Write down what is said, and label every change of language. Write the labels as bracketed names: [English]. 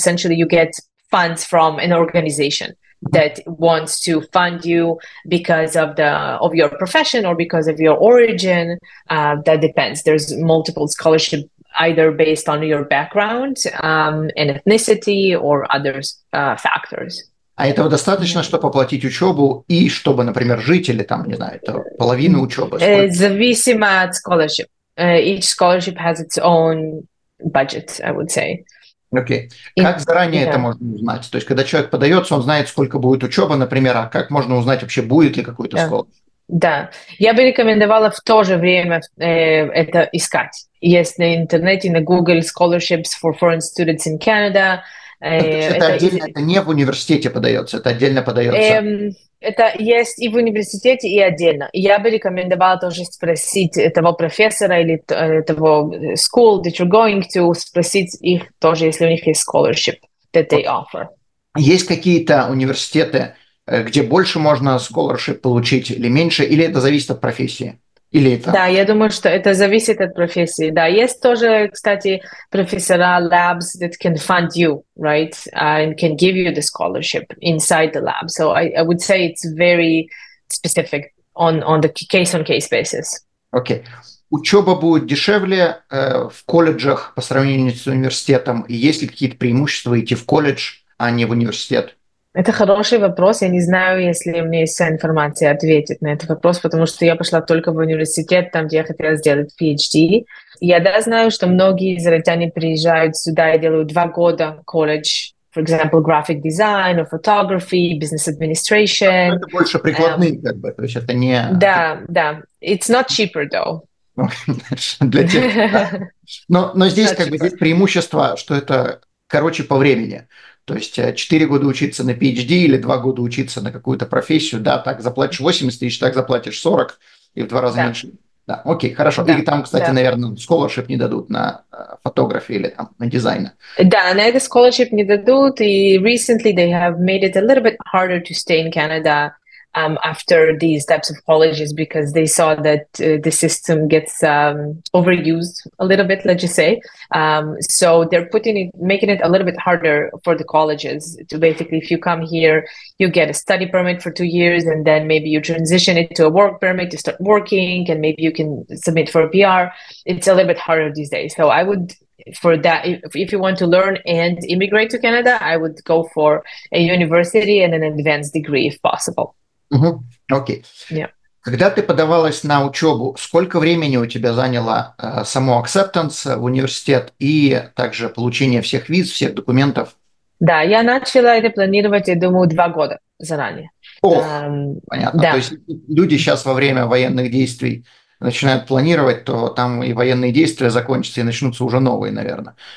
[English] Essentially, you get funds from an organization that wants to fund you because of your profession or because of your origin. That depends. There's multiple scholarship either based on your background, and ethnicity or other factors. [Russian] А этого достаточно, чтобы оплатить учебу и чтобы, например, жить или там, не знаю, это половину учебы? Зависимо от scholarship. [English] Each scholarship has its own budget, I would say. [Russian] Окей. [English] Okay. [Russian] Как заранее это можно узнать? То есть, когда человек подается, он знает, сколько будет учеба, например, а как можно узнать вообще, будет ли какой-то scholarship? Да. Я бы рекомендовала в то же время это искать. Есть на интернете, на Google [English] scholarships for foreign students in Canada. [Russian] Это отдельно, это не в университете подается, это отдельно подается. Это есть и в университете, и отдельно. Я бы рекомендовала тоже спросить этого профессора или того [English] school that you're going to, [Russian] спросить их тоже, если у них есть [English] scholarship that they offer. [Russian] Есть какие-то университеты, где больше можно scholarship получить или меньше, или это зависит от профессии? Или это... Да, я думаю, что это зависит от профессии. Да, есть тоже, кстати, профессора [English] labs that can fund you, right, and can give you the scholarship inside the lab. So I would say it's very specific on the case-on-case basis. [Russian] Окей. [English] Okay. [Russian] Учеба будет дешевле в колледжах по сравнению с университетом? И есть ли какие-то преимущества идти в колледж, а не в университет? Это хороший вопрос. Я не знаю, если у меня есть вся информация ответить на этот вопрос, потому что я пошла только в университет, там, где я хотела сделать PhD. Я да знаю, что многие израильтяне приезжают сюда и делают 2 года колледж, [English] for example, graphic design or photography, business administration. [Russian] Это больше прикладные, как бы, то есть это не... Да, да. [English] It's not cheaper, though. [Russian] Для тех, но здесь, как бы, здесь преимущество, что это короче по времени. То есть 4 года учиться на PhD или 2 года учиться на какую-то профессию, да, так заплатишь 80 тысяч, так заплатишь 40 и в 2 раза меньше. Да, окей, хорошо. Да. И там, кстати, наверное, scholarship не дадут на фотографии или там на дизайна. Да, на это scholarship не дадут, [English] и recently they have made it a little bit harder to stay in Canada after these types of colleges, because they saw that the system gets overused a little bit, let's just say. So they're making it a little bit harder for the colleges to basically, if you come here, you get a study permit for 2 years, and then maybe you transition it to a work permit to start working, and maybe you can submit for a PR. It's a little bit harder these days. So I would, for that, if you want to learn and immigrate to Canada, I would go for a university and an advanced degree if possible. [Russian] Угу. Окей. [English] Yeah. [Russian] Когда ты подавалась на учебу, сколько времени у тебя заняло само acceptance в университет и также получение всех виз, всех документов? Да, я начала это планировать, я думаю, 2 года заранее. Понятно. Да. То есть люди сейчас во время военных действий начинают планировать, то там и военные действия закончатся, и начнутся уже новые, наверное.